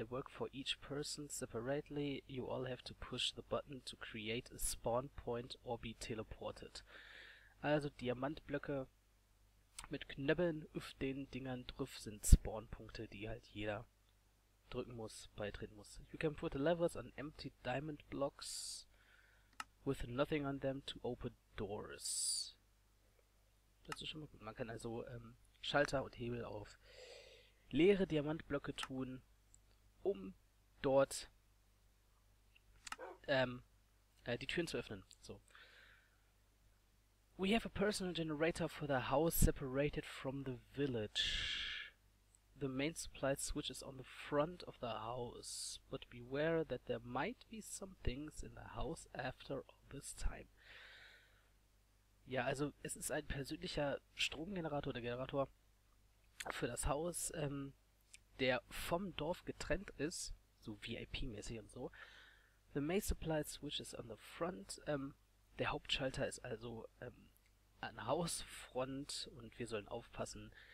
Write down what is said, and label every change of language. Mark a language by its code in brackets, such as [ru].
[en] They work for each person separately. You all have to push the button to create a spawn point or be teleported. [de] Also Diamantblöcke mit Knöppeln auf den Dingern drauf sind Spawnpunkte, die halt jeder drücken muss, beitreten muss. [en] You can put levers on empty diamond blocks with nothing on them to open doors. [de] Das ist schon mal gut. Man kann also Schalter und Hebel auf leere Diamantblöcke tun, um dort die Türen zu öffnen. So. [en] We have a personal generator for the house separated from the village. The main supply switch is on the front of the house, but beware that there might be some things in the house after all this time. [de] Ja, also es ist ein persönlicher Stromgenerator, der Generator für das Haus, der vom Dorf getrennt ist, so VIP-mäßig und so. [en] The main supply switch is on the front. [de] Der Hauptschalter ist also an Hausfront und wir sollen aufpassen.